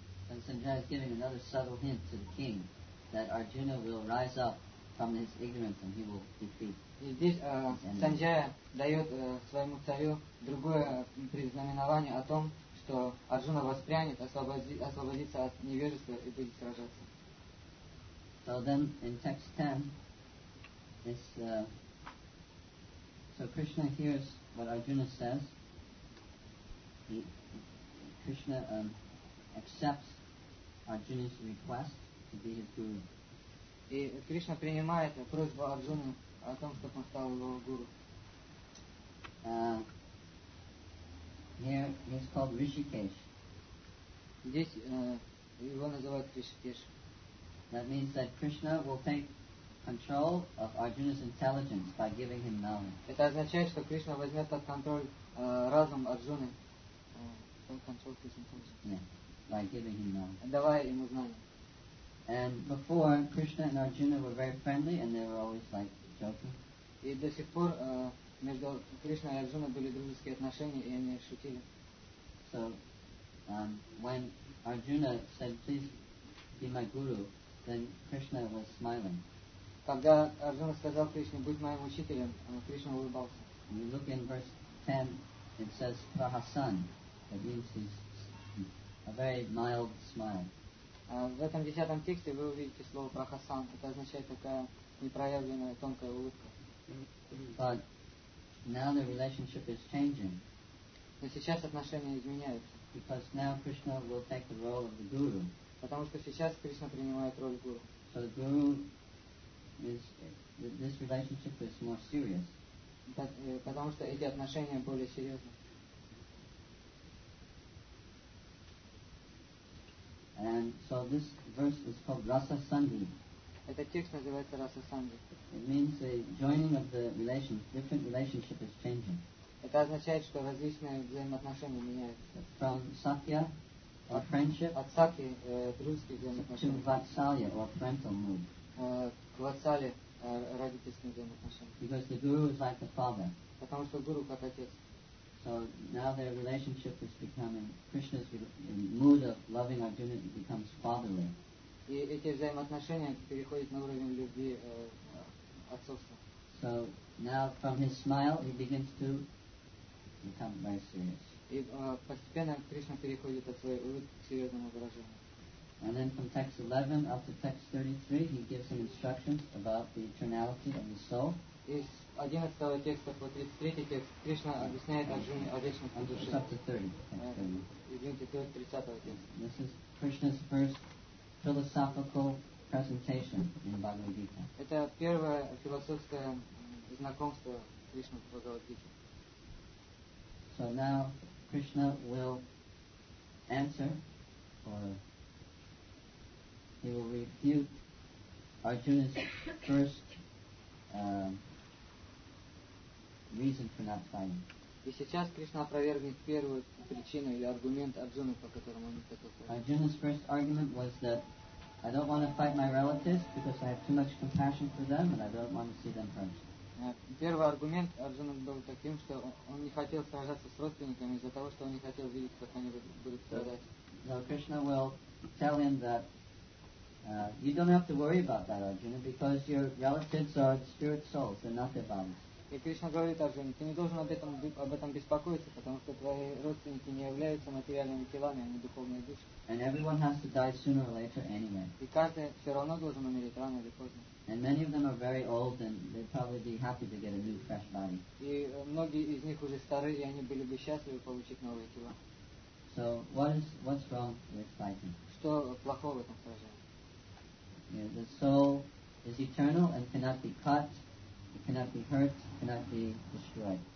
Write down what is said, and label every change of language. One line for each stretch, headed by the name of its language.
English: From his ignorance and he will defeat.
Russian: И здесь Санджая дает своему царю другое предзнаменование о том, что Арджуна воспрянет, освободится от невежества и будет сражаться.
English: So then in text 10, this, so Krishna hears what Arjuna says. Krishna accepts Arjuna's request to be his guru.
Russian: И Кришна принимает просьбу Арджуны о том, чтобы он стал его гуру.
English: Here he's called Rishikesh.
Russian: Здесь его называют Ришикеш.
English: That means that Krishna will take control of Arjuna's intelligence by giving him knowledge.
Russian: Это означает, что Кришна возьмет под контроль разум Арджуны.
English: Control his intelligence. Yeah, by giving him knowledge.
Russian: Давая ему знание.
English: And before, Krishna and Arjuna were very friendly, and they were always like joking.
Russian: И до сих пор между Кришной и Арджуной были дружеские отношения, и они шутили.
English: So, when Arjuna said, "Please be my guru," then Krishna was smiling.
Russian: Когда Арджуна сказал Кришне, "Будь моим учителем," Кришна улыбался.
English: When you look in verse 10, it says "prahasan," that means he's a very mild smile.
Russian: В этом десятом тексте вы увидите слово прахасан. Это означает такая непроявленная тонкая улыбка.
English: But now the relationship is changing.
Russian: Но сейчас отношения изменяются.
English: Because now Krishna will take the role of the guru.
Russian: Потому что сейчас Кришна принимает роль гуру.
English: So the guru is, this relationship is more serious.
Russian: Потому что эти отношения более серьезны.
English: And so this verse is called Rasa Sandhi.
Russian: Этот текст называется Rasa Sandhi.
English: It means the joining of the relations, different relationship is changing.
Russian: Это означает, что различные взаимоотношения меняются.
English: From Satya, or friendship,
Russian: от Сакьи, дружеские взаимоотношения,
English: to Vatsalya, or parental mood.
Russian: К Ватсале родительские взаимоотношения.
English: Because the guru is like the father.
Russian: Потому что гуру как отец.
English: So now their relationship is becoming Krishna's mood of loving Arjuna becomes fatherly.
Russian: И эти взаимоотношения переходят на уровень любви отцовства.
English: So now from his smile he begins to become very serious.
Russian: И постепенно Кришна переходит от своей улыбки к серьезному выражению.
English: And then from text 11 up to text 33, he gives some instructions about the eternality of the soul.
Russian: Из 11 текста по 33 текст Кришна объясняет Арджуне о вечном душе.
English: Up to 30. This is Krishna's first philosophical presentation in Bhagavad Gita.
Russian: Это первое философское знакомство Кришны в Бхагавад Гите.
English: So now Krishna will answer or he will refute Arjuna's first reason for not fighting.
Russian: И сейчас Кришна опровергнет первую причину или аргумент Арджуны, по которому он не хотел
English: fight. Arjuna's first argument was that I don't want to fight my relatives because I have too much compassion for them and I don't want to see them hurt.
Russian: Первый аргумент Арджуны был таким, что он не хотел сражаться с родственниками из-за того, что он не хотел видеть, как они будут страдать.
English: So Krishna will tell him that you don't have to worry about that, Arjuna, because your relatives are spirit souls, they're not devas.
Russian: И Кришна говорит Арджуне, ты не должен об этом беспокоиться, потому что твои родственники не являются материальными телами, они духовные души.
English: And everyone has to die sooner or later anyway.
Russian: И каждый все равно должен умереть рано или поздно.
English: And many of them are very old and they'd probably be happy to get a new fresh body.
Russian: И многие из них уже старые, и они были бы счастливы получить новые тела.
English: So what's wrong with fighting?
Russian: Что плохого в этом сражении?
English: Yeah, the soul is eternal and cannot be cut, it cannot be hurt, it cannot be destroyed.